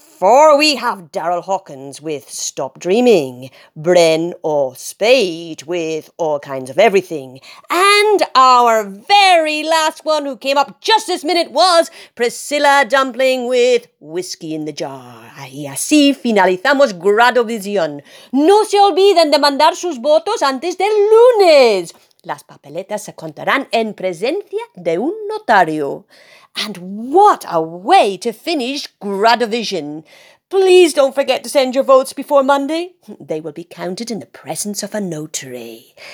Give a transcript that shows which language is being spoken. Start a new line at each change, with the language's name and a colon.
English: For we have Daryl Hawkins with Stop Dreaming, Bren or Spade with All Kinds of Everything, and our very last one who came up just this minute was Priscilla Dumpling with Whiskey in the Jar.
Spanish: Y así finalizamos Grado Visión. No se olviden de mandar sus votos antes del lunes. Las papeletas se contarán en presencia de un notario.
English: And what a way to finish Gradovision. Please don't forget to send your votes before Monday. They will be counted in the presence of a notary.